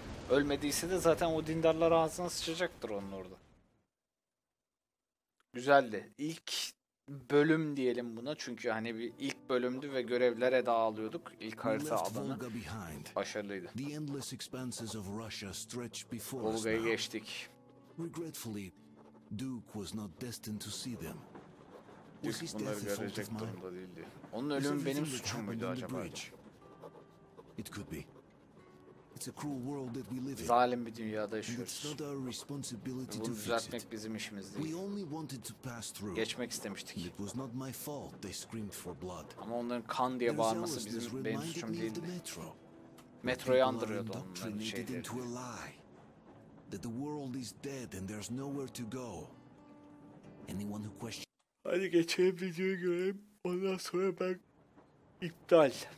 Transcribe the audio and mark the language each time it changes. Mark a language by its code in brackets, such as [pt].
[tr] Ölmediyse de zaten o dindarlar ağzına sıçacaktır onun orada. Güzeldi. İlk bölüm diyelim buna. Çünkü hani bir ilk bölümdü ve görevlere dağılıyorduk. İlk harita alanı başarılıydı. [en] The endless expanses of Russia stretch before us. [tr] Volga'yı geçtik. [en] Regretfully, Duke was not destined to see them. [tr] Duke bunları görecek durumda değildi. Onun ölümü benim suçum muydu acaba? [en] It could be. It's a cruel world that we live in. [tr] Zalim bir dünyada yaşıyoruz. Bunu düzeltmek bizim işimiz değil. Geçmek istemiştik. [en] It was not my fault they screamed for blood. [tr] Ama onların kan diye bağırması bizim benim suçum değildi. Metroyu andırıyordu onların şeyleri. [en] That the world is dead and there's nowhere to go. Anyone who questions. [tr] Hadi geçelim videoyu görelim. Ondan sonra ben iptal.